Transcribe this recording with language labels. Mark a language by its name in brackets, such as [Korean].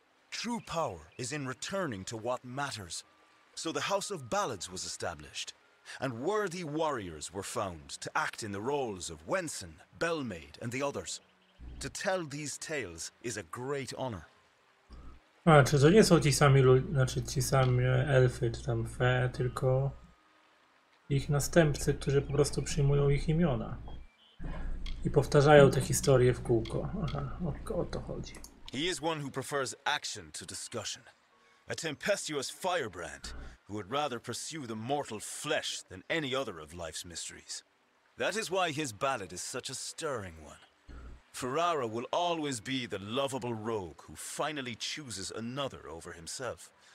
[English] True power is in returning to what matters. So the House of Ballads was established. And worthy warriors were found to act in the roles of Wensen, Bellmaid, and the others. To tell these tales is a great honor. [Polish] A, czy to nie są ci sami znaczy ci sami elfy, czy tam fe, tylko ich następcy, którzy po prostu przyjmują ich imiona i powtarzają te historie w kółko. Aha, o to chodzi. [English] He is one who prefers action to discussion. A tempestuous firebrand who would rather pursue the mortal flesh than any other of life's mysteries. That is why his ballad is such a stirring one. Ferrara will always be the lovable rogue who finally chooses another over himself.